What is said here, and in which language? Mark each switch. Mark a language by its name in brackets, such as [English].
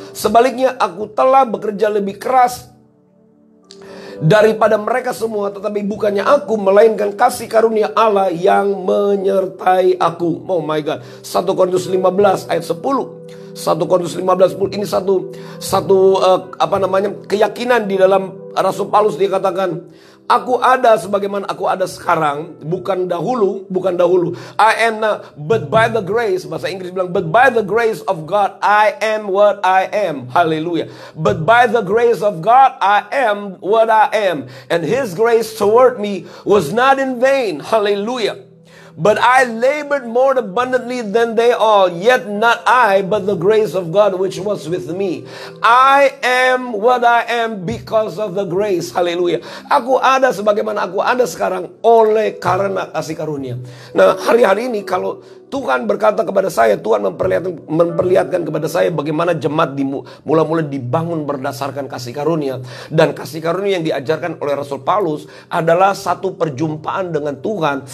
[Indonesian] Sebaliknya, aku telah bekerja lebih keras daripada mereka semua, tetapi bukannya aku, melainkan kasih karunia Allah yang menyertai aku. Oh my God. 1 Korintus 15 ayat 10. 1 Korintus 15 ayat 10 ini satu keyakinan di dalam Rasul Paulus. Dia katakan, aku ada sebagaimana aku ada sekarang, bukan dahulu. [English] I am now, but by the grace, bahasa Inggris bilang, but by the grace of God, I am what I am. Hallelujah. But by the grace of God, I am what I am. And his grace toward me was not in vain. Hallelujah. But I labored more abundantly than they all, yet not I, but the grace of God which was with me. I am what I am because of the grace. Hallelujah. [Indonesian] Aku ada sebagaimana aku ada sekarang oleh karena kasih karunia. Nah, hari-hari ini kalau Tuhan berkata kepada saya, Tuhan memperlihatkan kepada saya bagaimana jemaat mula-mula dibangun berdasarkan kasih karunia. Dan kasih karunia yang diajarkan oleh Rasul Paulus adalah satu perjumpaan dengan Tuhan.